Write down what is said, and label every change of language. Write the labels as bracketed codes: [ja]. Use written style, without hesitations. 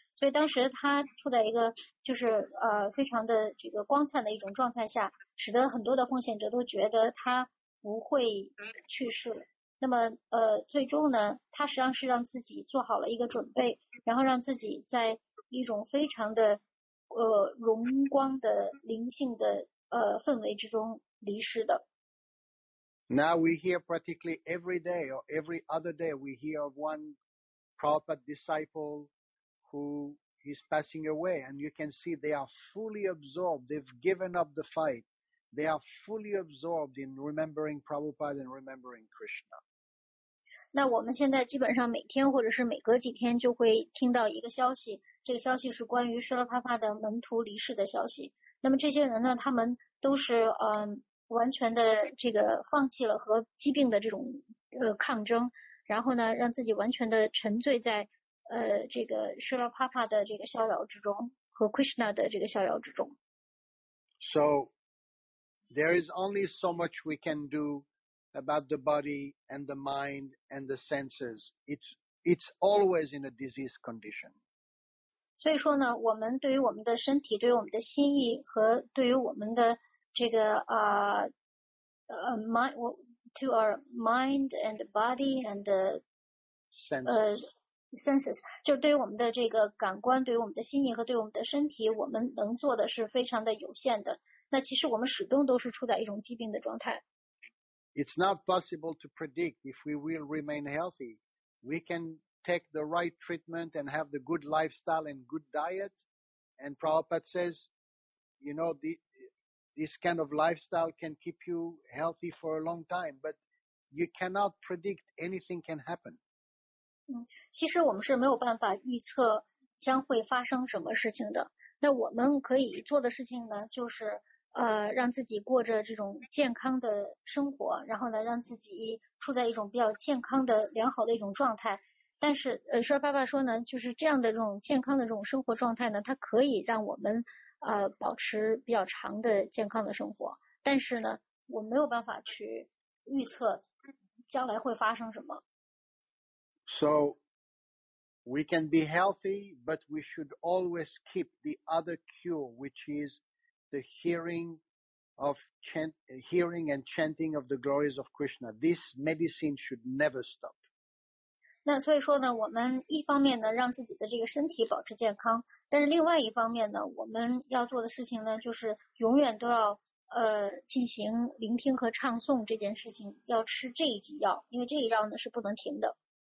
[zh] 所以当时他处在一个就是非常的这个光彩的一种状态下，使得很多的奉献者都觉得他不会去世。那么最终呢他实际上是让自己做好了一个准备，然后让自己在一种非常的荣光的灵性的氛围之中离世的。 [en] Now we hear practically every day or every other day we hear of one Prabhupada disciple who is passing away, and you can see they are fully absorbed, they've given up the fight, they are fully absorbed in remembering Prabhupada and remembering Krishna. [zh] 那我们现在基本上每天或者是每隔几天就会听到一个消息，这个消息是关于舍勒帕帕的门徒离世的消息。那么这些人呢他们都是完全的这个放弃了和疾病的这种抗争，然后呢让自己完全的沉醉在这个舍勒帕帕的这个逍遥之中和 Krishna 的这个逍遥之中。 [en] So there is only so much we can doDo about the body and the mind and the senses. It's always in a diseased condition. [zh] 所以说呢，我们对于我们的身体，对于我们的心意和对于我们的这个 [en] mind, to our mind and body and senses, [zh] 就对于我们的这个感官，对于我们的心意和对于我们的身体，我们能做的是非常的有限的。那其实我们始终都是处在一种疾病的状态。 [en] It's not possible to predict if we will remain healthy. We can take the right treatment and have the good lifestyle and good diet. And Prabhupada says, you know, this kind of lifestyle can keep you healthy for a long time, but you cannot predict anything can happen. [zh] 其实我们是没有办法预测将会发生什么事情的。那我们可以做的事情呢，就是让自己过着这种健康的生活，然后呢让自己处在一种比较健康的良好的一种状态。但是舍勒帕帕说呢，就是这样的这种健康的这种生活状态呢，它可以让我们保持比较长的健康的生活，但是呢我没有办法去预测将来会发生什么。 [en] So we can be healthy, but we should always keep the other cure, which isThe hearing and chanting of the glories of Krishna. This medicine should never stop. [zh] 那所以说呢，我们一方面呢让自己的这个身体保持健康，但是另外一方面呢，我们要做的事情呢，就是永远都要进行聆听和唱诵这件事情，要吃这一剂药，因为这一药呢是不能停的。